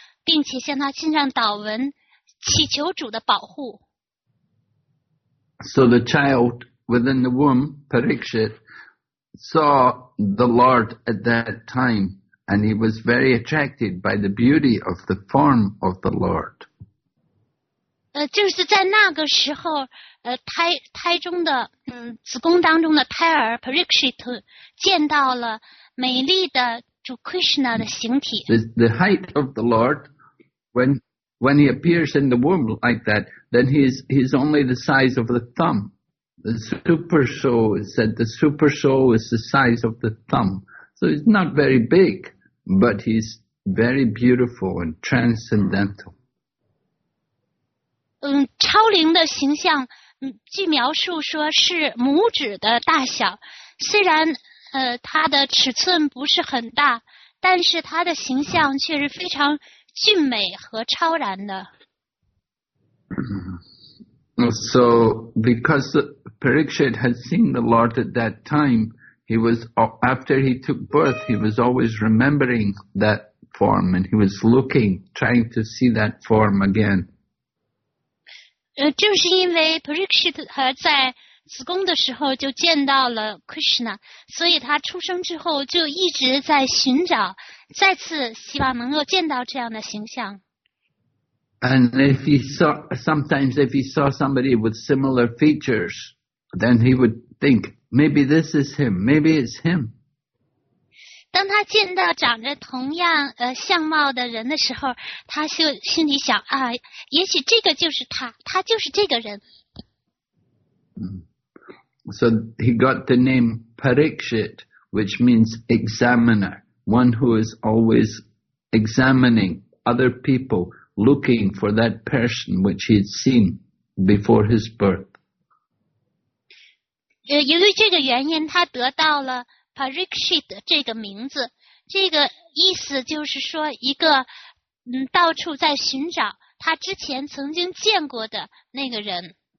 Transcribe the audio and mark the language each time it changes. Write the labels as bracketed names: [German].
[Chinese] 并且向他献上祷文，祈求主的保护。 [English] So the child within the womb, Parikshit, saw the Lord at that time, and he was very attracted by the beauty of the form of the Lord. [Chinese] 就是在那个时候，胎中的子宫当中的胎儿 Parikshit 见到了美丽的主 Krishna 的形体。 [English] The height of the Lord. When he appears in the womb like that, then he's only the size of the thumb. The super soul said the super soul is the size of the thumb. So he's not very big, but he's very beautiful and transcendental. [Chinese] 超灵的形象，据描述说是拇指的大小。虽然它的尺寸不是很大，但是它的形象却是非常。俊美和超然的。 [English] So, because Parikshit had seen the Lord at that time, he was, after he took birth, he was always remembering that form and he was looking, trying to see that form again. [Chinese] 正是因为 Parikshit 在子宫的时候就见到了 Krishna, 所以他出生之后就一直在寻找再次希望能够见到这样的形象。 [English] And if he saw, sometimes if he saw somebody with similar features, then he would think, maybe this is him, maybe it's him. [Chinese] 当他见到长着同样相貌的人的时候，他就心里想啊，也许这个就是他，他就是这个人。 [English] So he got the name Parikshit, which means examiner, one who is always examining other people, looking for that person which he had seen before his birth. [Chinese] 由于这个原因，他得到了Parikshit 这个名字，这个意思就是说一个到处在寻找他之前曾经见过的那个人。